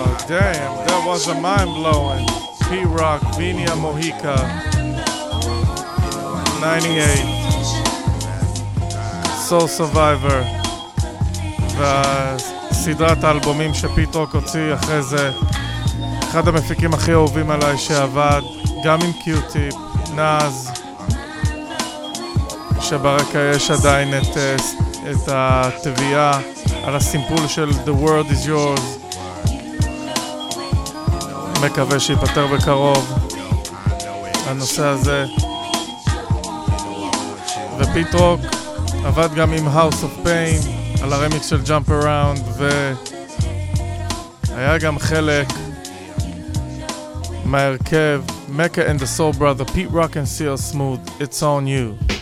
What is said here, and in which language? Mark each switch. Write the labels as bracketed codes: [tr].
[en] Damn, that was a mind-blowing. [he] P-Rock, Vinia Mojica, 98, Soul Survivor, וסדרת האלבומים שפיטרוק הוציא אחרי זה, אחד המפיקים הכי אהובים עליי שעבד, גם עם קיוטיפ, נאז, שברקע יש עדיין את התביעה על הסימפול של The World Is Yours. מקווה שיפטר בקרוב הנושא הזה. ופיטרוק עבד גם עם House of Pain על הרמיקס של Jump Around, והיה גם חלק מהרכב Mecca and the Soul Brother. [en] Pete Rock and Seal Smooth, It's On You.